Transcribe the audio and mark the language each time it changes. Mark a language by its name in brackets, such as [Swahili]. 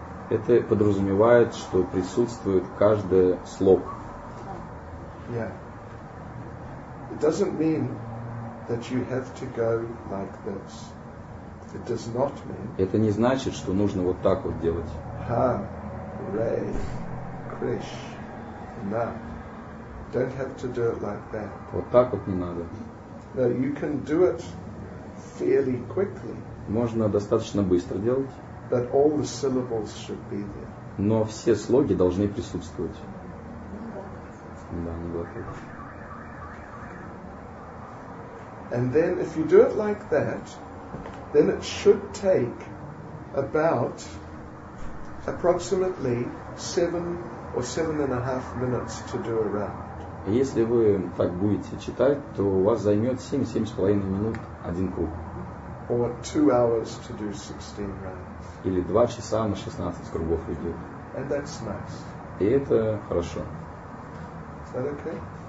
[Russian] Это подразумевает, что присутствует каждое слог. [English] Yeah. It doesn't mean that you have to go like this. It does not mean. [Russian] Это не значит, что нужно вот так вот делать. [Sanskrit] Ha, re, krish, na. [English] Don't have to do it like that. [Russian] Вот так вот не надо. [English] No, you can do it fairly quickly. [Russian] Можно достаточно быстро делать. [English] But all the syllables should be there. [Russian] Но все слоги должны присутствовать. Да, не глотать. [English] And then if you do it like that, then it should take about approximately 7 or 7.5 minutes to do a round. [Russian] Если вы так будете читать, то у вас займет 7-7.5 минут один круг. [English] Or 2 hours to do 16 rounds. [Russian] Или 2 часа на 16 кругов идет. [English] And that's nice. [Russian] И это хорошо. [English] Is that okay?